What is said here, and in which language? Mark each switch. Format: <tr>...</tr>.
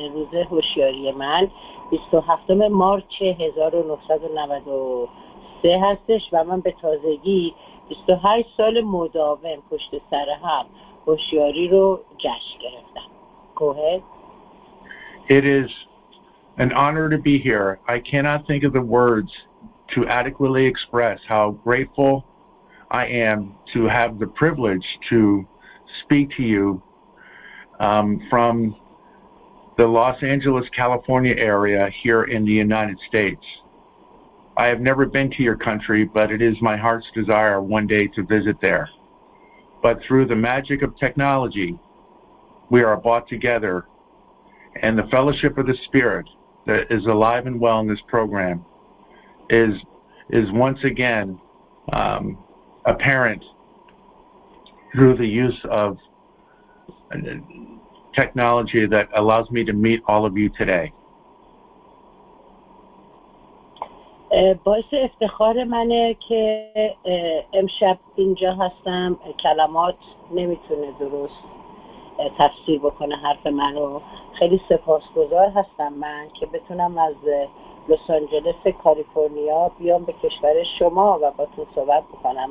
<fa>روز هوشیاری من 27 مارچ 1993 هستش و من به تازگی 28 سال مداوم پشت سر هم هوشیاری رو جشن گرفتم.</fa> <en>Go ahead. It is an honor to be here. I cannot think of the words to adequately express how grateful I am to have the privilege to speak to you from the Los Angeles, California area here in the United States. I have never been to your country, but it is my heart's desire one day to visit there. But through the magic of technology, we are brought together, and the fellowship of the spirit that is alive and well in this program is once again apparent through the use of technology that allows me to meet all of you today.</en> <fa>باعث افتخار منه که امشب اینجا هستم. کلمات نمیتونه درست تفسیر بکنه حرف من رو. خیلی سپاسگزار هستم من که بتونم از لس آنجلس کالیفرنیا بیام به کشور شما و با تو صحبت بکنم.</fa>